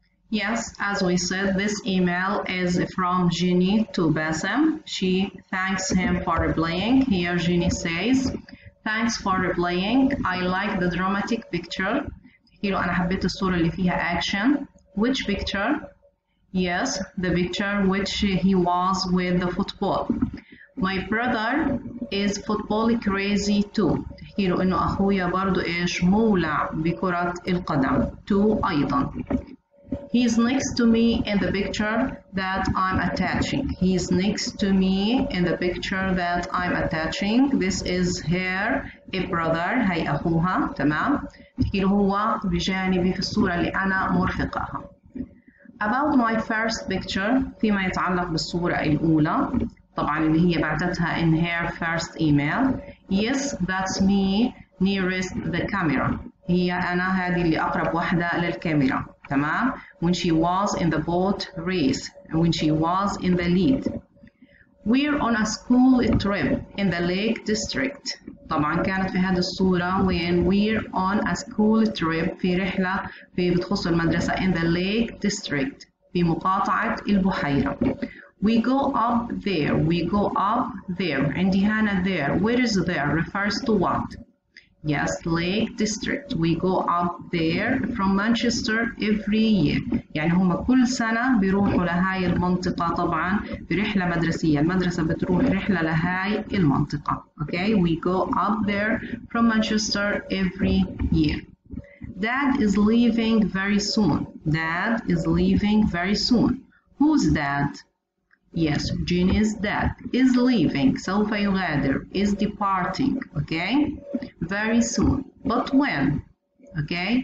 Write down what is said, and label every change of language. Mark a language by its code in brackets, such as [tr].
[en] Yes, as we said, this email is from Jenny to Bassem. She thanks him for replying. Here Jenny says, thanks for replying. I like the dramatic picture. [ar] Here أنا حبيت الصورة اللي فيها action. [en] Which picture? Yes, the picture which he was with the football. My brother is football crazy too. [ar] تحكيله إنه أخويا برضو إيش مولع بكرة القدم. Too أيضا. [en] He's next to me in the picture that I'm attaching. He's next to me in the picture that I'm attaching. This is her a brother. [ar] هي أخوها. تمام. تحكيله هو بجانبي في الصورة اللي أنا مرفقها. [en] About my first picture, [ar] فيما يتعلق بالصورة الأولى طبعاً اللي هي بعتتها [en] in her first email. Yes, that's me nearest the camera. [ar] هي أنا هذه اللي أقرب واحدة للكاميرا. تمام؟ [en] When she was in the boat race. When she was in the lead. We're on a school trip in the Lake District. [ar] طبعاً كانت في هذه الصورة [en] when we're on a school trip [ar] في رحلة في بتخص المدرسة [en] in the Lake District [ar] في مقاطعة البحيرة. [en] We go up there. We go up there. [ar] عندي هنا there. [en] Where is there? Refers to what? Yes, Lake District. We go up there from Manchester every year. [ar] يعني هم كل سنة بيروحوا لهاي المنطقة طبعاً برحلة مدرسية. المدرسة بتروح رحلة لهاي المنطقة. [en] Okay, we go up there from Manchester every year. Dad is leaving very soon. Dad is leaving very soon. Who's dad? Yes, Jenny's dad is leaving. [ar] سوف يغادر. [en] Is departing. Okay. Very soon. But when? Okay.